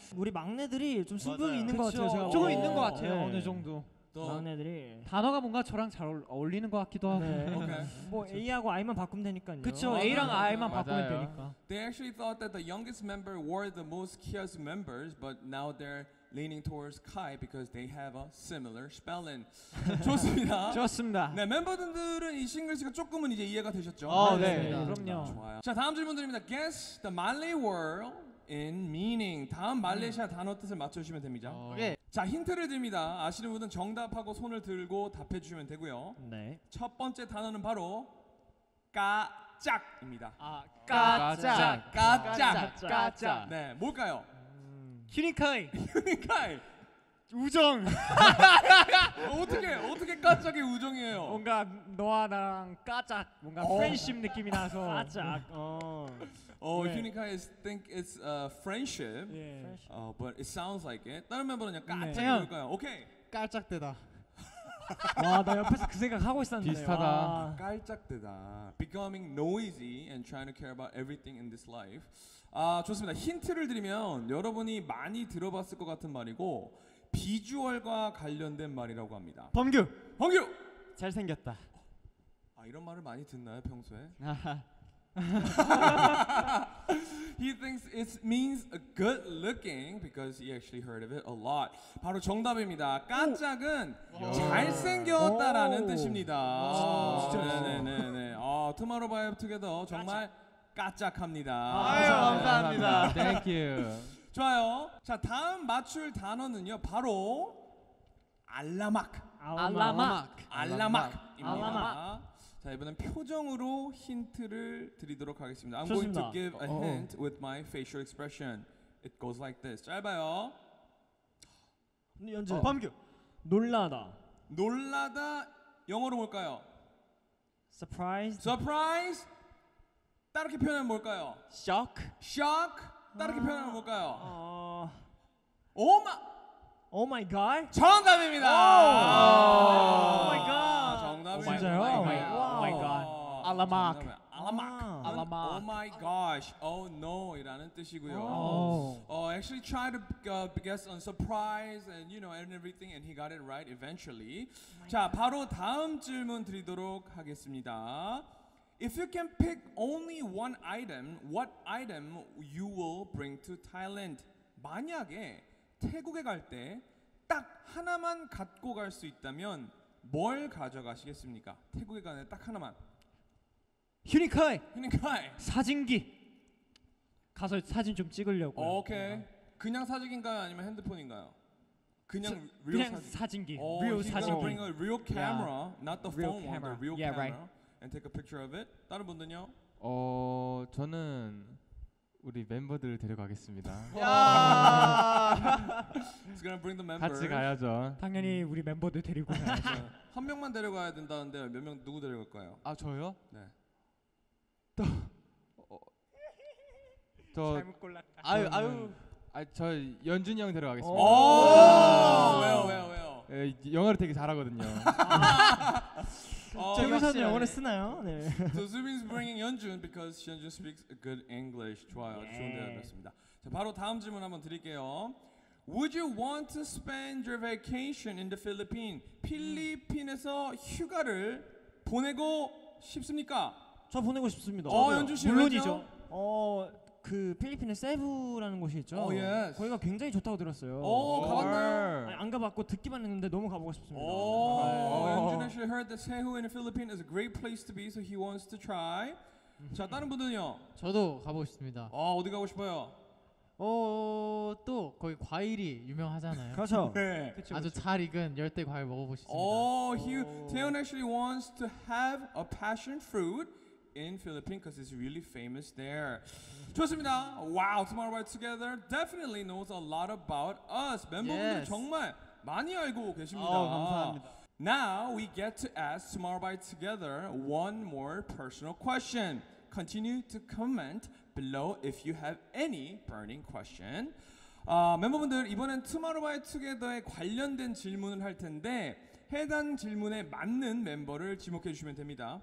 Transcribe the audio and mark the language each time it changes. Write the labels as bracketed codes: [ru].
[ko] 우리 막내들이 좀 승부욕이 있는 것 같아요. 제가 조금 있는 것 같아요. 네. 어느 정도. 막내들이 단어가 뭔가 저랑 잘 어울리는 것 같기도 하고 네. okay. 뭐 A하고 I만 바꾸면 되니까요. 그쵸. A랑 I만 바꾸면 맞아요. 되니까. [en] They actually thought that the youngest member were the most kiosk members, but now they're leaning towards Kai because they have a similar spelling. [ko] 좋습니다. 좋습니다. 네, 멤버분들은 이 싱글스가 조금은 이제 이해가 되셨죠? 네. 그럼요. 좋아요. 자, 다음 질문드립니다. [en] Guess the Malay word in meaning. [ko] 다음 말레이시아 단어 뜻을 맞춰주시면 됩니다. 네. 자, 힌트를 드립니다. 아시는 분은 정답하고 손을 들고 답해 주시면 되고요. 네. 첫 번째 단어는 바로 까짝입니다. [ms] 아, 까짝. 까짝. 까짝. [ko] 네, 뭘까요? 휴닝카이. 휴닝카이. 우정. 어떻게 까짝이 우정이에요? 뭔가 너와 나랑 까짝. 뭔가 프렌쉽 느낌이 나서. [ms] 까짝. [en] 휴닝카이 네. think it's a friendship. Yeah. But it sounds like it. [ko] 다른 멤버는 까짝일까요? 네. 오케이. 깔짝대다. 와, 나 옆에서 그 생각 하고 있었는데. 비슷하다. 깔짝대다. [en] Becoming noisy and trying to care about everything in this life. [ko] 아, 좋습니다. 힌트를 드리면 여러분이 많이 들어봤을 것 같은 말이고 비주얼과 관련된 말이라고 합니다. 범규. 범규. 잘 생겼다. 아, 이런 말을 많이 듣나요, 평소에? 아. [en] He thinks it means good looking because he actually heard of it a lot. [ko] 바로 정답입니다. 깜짝은 잘생겼다라는 뜻입니다. 네네네네. 아, Tomorrow by Together 정말 깜짝합니다. 아유, 감사합니다. [en] Thank you. [ko] 좋아요. 자, 다음 맞출 단어는요. 바로 알라막. [ms] 알라막. [ko] 알라막입니다. 자, 이번엔 표정으로 힌트를 드리도록 하겠습니다. [en] I'm [ko] 좋습니다. [en] going to give a hint with my facial expression. It goes like this. [ko] 짧아요. 연주. 범규. 놀라다. 놀라다. 영어로 뭘까요? [en] Surprise. Surprise. [ko] 따로 이렇게 표현하면 뭘까요? [en] Shock. Shock. [ko] 따로 이렇게 표현하면 뭘까요? [en] Oh my God. [ko] 정답입니다. [en] Oh my God. [ko] 정답이에요. [en] Oh my God. Oh my God. [ms] 알라막. 알라막. 알라막. [en] Oh my gosh. Oh no. [ko] 이라는 뜻이고요. [en] Actually tried to guess on surprise and you know and everything and he got it right eventually. [ko] 자, 바로 다음 질문 드리도록 하겠습니다. [en] If you can pick only one item, what item you will bring to Thailand? [ko] 만약에 태국에 갈 때 딱 하나만 갖고 갈 수 있다면 뭘 가져가시겠습니까? 태국에 가는 딱 하나만. 휴닝카이. 휴닝카이. 사진기. 가서 사진 좀 찍으려고. 오케이. 그냥 사진인가요? 아니면 핸드폰인가요? 그냥 real 그냥 사진. 사진기. [en] Oh, real [ko] 사진기. [en] Bring a real camera, yeah. not the real phone camera. One, the real yeah, camera. Right. And take a picture of it. [ko] 다른 분들요? 어, 저는 우리 멤버들을 데려가겠습니다. [en] He's gonna bring the members. [ko] 같이 가야죠. 당연히 우리 멤버들 데리고 가야죠. 한 명만 데려가야 된다는데 몇 명 누구 데려갈까요? 아 저요? 네. 또 저 잘못 골랐다. 아유 아유. 아 저 연준이 형 데려가겠습니다. 오~ 왜요 왜요 왜요? 예, 영어를 되게 잘하거든요. 여기서는 영어를 쓰나요? 네. [en] So Zubin's bringing Yeonjun because Yeonjun speaks good English. [ko] 좋아요. 네. 좋은 대답이었습니다. 자, 바로 다음 질문 한번 드릴게요. [en] Would you want to spend your vacation in the Philippines? [ko] 필리핀에서 휴가를 보내고 싶습니까? 저 보내고 싶습니다. 어, 연준 씨 물론이죠. 어, 그 필리핀의 세부라는 곳이 있죠. 오, 예스. 거기가 굉장히 좋다고 들었어요. 오, 가봤나요? 안 가봤고 듣기만 했는데 너무 가보고 싶습니다. [en] 오, 연준 씨 heard that Cebu in the Philippines is a great place to be, so he wants to try. [ko] 자, 다른 분들은요? 저도 가보고 싶습니다. 아, 어디 가고 싶어요? 어, 또 거기 과일이 유명하잖아요. 그렇죠. 네. 그쵸, 아주 그쵸. 잘 익은 열대 과일 먹어보시죠. [en] Oh, Taeyeon actually wants to have a passion fruit in Philippines because it's really famous there. [ko] 좋습니다. [en] Wow, Tomorrow by Together definitely knows a lot about us. [ko] 멤버분들 yes. 정말 많이 알고 계십니다. 어, 감사합니다. [en] Now we get to ask Tomorrow by Together one more personal question. Continue to comment. below if you have any burning question. [ko] 멤버분들 이번엔 투모로우바이투게더에 관련된 질문을 할 텐데 해당 질문에 맞는 멤버를 지목해 주시면 됩니다.